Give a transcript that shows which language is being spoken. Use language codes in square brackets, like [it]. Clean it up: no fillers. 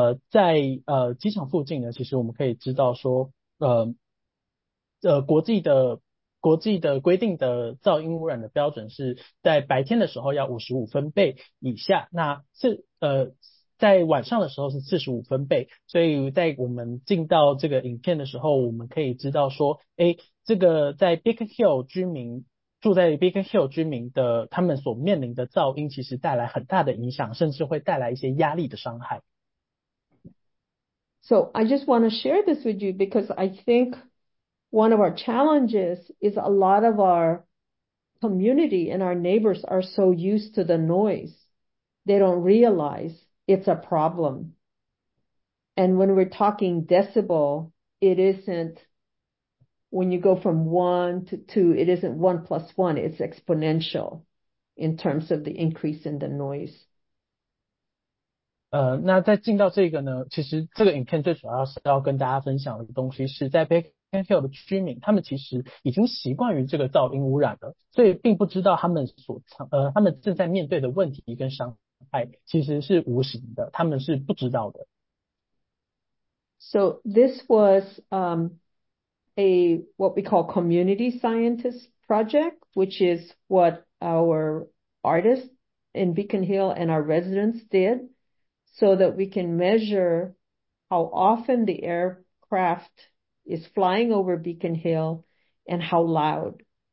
[zh] 在机场附近呢，其实我们可以知道说，国际的规定的噪音污染的标准是在白天的时候要55分贝以下，那是在晚上的时候是45分贝，所以在我们进到这个影片的时候，我们可以知道说，这个在 Beacon Hill 住在 Big Hill 居民的他们所面临的噪音其实带来很大的影响，甚至会带来一些压力的伤害。 [en] So I just want to share this with you because I think one of our challenges is a lot of our community and our neighbors are so used to the noise. They don't realize it's a problem. And when we're talking decibel, it isn't when you go from one to two, it isn't one plus one, it's exponential in terms of the increase in the noise. [zh] 那在进到这个呢，其实这个影片最主要是要跟大家分享的东西是在 Beacon Hill 的居民，他们其实已经习惯于这个噪音污染了，所以并不知道他们正在面对的问题跟伤害其实是无形的，他们是不知道的。 [en] So this was a what we call community scientist project, which is what our artists in Beacon Hill and our residents did. So that we can measure how often the aircraft is flying over Beacon Hill and how loud.